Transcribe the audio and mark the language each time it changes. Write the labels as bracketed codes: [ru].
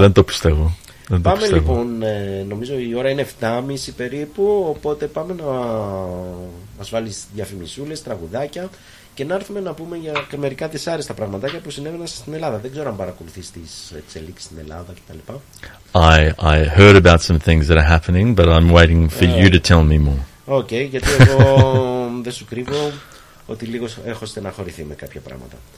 [el] Δεν το πιστεύω. Δεν πάμε το πιστεύω. Λοιπόν, νομίζω η ώρα είναι 7.30 περίπου, οπότε πάμε να μας βάλεις διαφημισούλες, τραγουδάκια, και να έρθουμε να πούμε για μερικά δυσάρεστα πραγματάκια που συνέβαιναν στην Ελλάδα. Δεν ξέρω αν παρακολουθείς τις εξελίξεις στην Ελλάδα κτλ. [en] I heard about some things that are happening, but I'm waiting for you to tell me more. [el] Okay, γιατί εγώ δεν σου κρύβω ότι λίγο έχω στεναχωρηθεί με κάποια πράγματα.